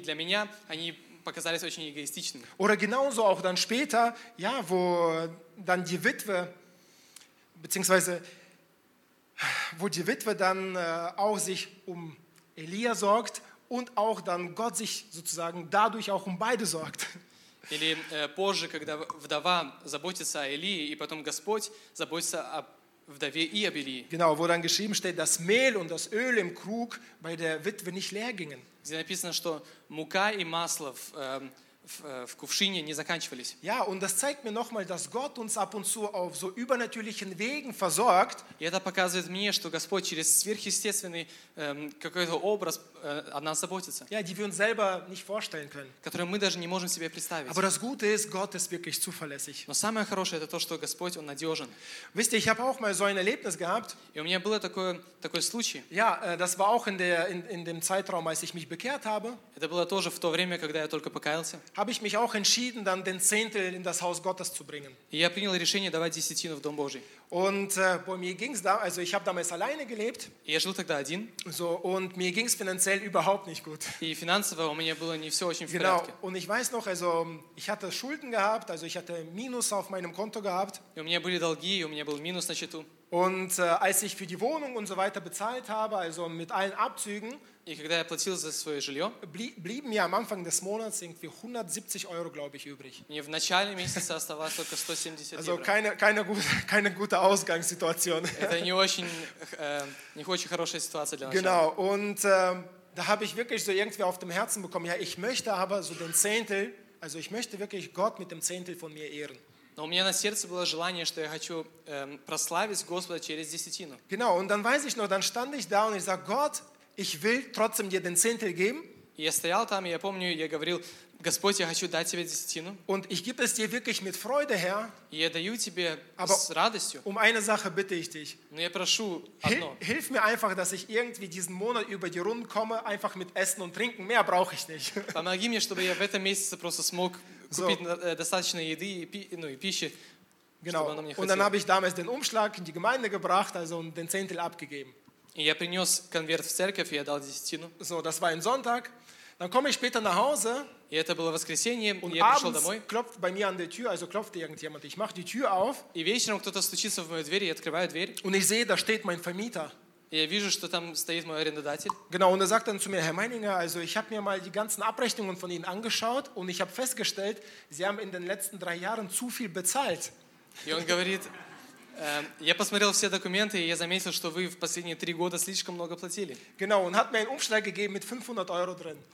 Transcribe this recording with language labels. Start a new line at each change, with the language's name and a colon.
Russian: Для меня они показались очень эгоистичными.
German: Oder genauso auch dann später, ja, wo dann die Witwe beziehungsweise wo die Witwe dann auch sich um Elia sorgt und auch dann Gott sich sozusagen dadurch auch um beide sorgt.
Russian: Или позже, когда вдова заботится о Элии, и потом Господь заботится о вдове и об Элии.
German: Genau, wo dann geschrieben steht, dass Mehl und das Öl im Krug bei der Witwe nicht leer gingen.
Russian: Где написано, что мука и масло в кувшине не заканчивались.
German: Ja, und das zeigt mir nochmal, dass Gott uns ab und zu auf so übernatürlichen Wegen versorgt.
Russian: И это показывает мне, что Господь через сверхъестественный какой-то образ о нас заботится.
German: Ja, die wir uns selber nicht vorstellen können.
Russian: Которые мы даже не можем себе представить.
German: Aber das Gute ist, Gott ist wirklich zuverlässig.
Russian: Но самое хорошее это то, что Господь он надежен.
German: Wisst ihr, ich habe auch mal so ein Erlebnis gehabt.
Russian: И у меня было такой случай.
German: Ja, das war auch in dem Zeitraum, als ich mich bekehrt habe.
Russian: Это было тоже в то время, когда я только покаялся.
German: Habe ich mich auch entschieden, dann den Zehntel in das Haus Gottes zu bringen.
Russian: Я принял решение давать десятину в дом Божий.
German: Und bei mir ging's da, also ich habe damals alleine gelebt.
Russian: Я жил тогда один.
German: So, und mir ging's finanziell überhaupt nicht gut.
Russian: И финансово у меня было не все очень в порядке. Genau.
German: Und ich weiß noch, also ich hatte Schulden gehabt, also ich hatte Minus auf meinem Konto gehabt.
Russian: И у меня были долги, и у меня был минус на счету.
German: Und als ich für die Wohnung und so weiter bezahlt habe, also mit allen Abzügen,
Russian: и когда я платил за свое жилье,
German: blieben mir am Anfang des Monats irgendwie 170 Euro, glaube ich, übrig.
Russian: Мне в начале месяца оставалось только 170 евро.
German: Also keine gute Ausgangssituation.
Russian: Это не очень, не очень хорошая ситуация для начала.
German: Genau, und da habe ich wirklich so irgendwie auf dem Herzen bekommen, ja, ich möchte aber so den Zehntel, also ich möchte wirklich Gott mit dem Zehntel von mir ehren.
Russian: Но у меня на сердце было желание, что я хочу прославить Господа через десятину.
German: Genau, und dann weiß ich noch, dann stand ich da und ich sag, Gott, ich will trotzdem dir den Zehntel geben.
Russian: Я стоял там, и я помню, я говорил, Господь, я хочу дать тебе десятину.
German: Und ich gebe es dir wirklich mit Freude, Herr.
Russian: Я даю тебе aber с радостью.
German: Um eine Sache bitte ich dich.
Russian: Но я прошу одно.
German: Hilf mir einfach, dass ich irgendwie diesen Monat über die Runden komme, einfach mit Essen und Trinken, mehr brauche ich nicht.
Russian: Помоги мне, чтобы я в этом месяце просто смог купить достаточно еды и пищи.
German: Genau.
Russian: Чтобы она мне
German: und dann habe ich damals den Umschlag in die Gemeinde gebracht, also und den Zehntel abgegeben.
Russian: И я принес конверт в церковь, и я дал десятину.
German: So, das war ein Sonntag. Dann komme ich später nach Hause.
Russian: И это было воскресенье,
German: und
Russian: я пришел домой.
German: Klopft bei mir an der Tür, also klopft irgendjemand. Ich mache die Tür auf.
Russian: И вечером кто-то стучится в мою дверь, я открываю дверь.
German: Und ich sehe, da steht mein Vermieter.
Russian: Я вижу, что там стоит мой арендодатель.
German: Genau, und er sagt dann zu mir, Herr Meininger, also ich habe mir mal die ganzen Abrechnungen von Ihnen angeschaut und ich habe festgestellt, Sie haben in den letzten drei Jahren zu viel bezahlt.
Russian: И он говорит, я посмотрел все документы, и я заметил, что вы в последние три года слишком много платили.
German: Genau, und hat mir einen Umschlag gegeben mit 500 Euro drin.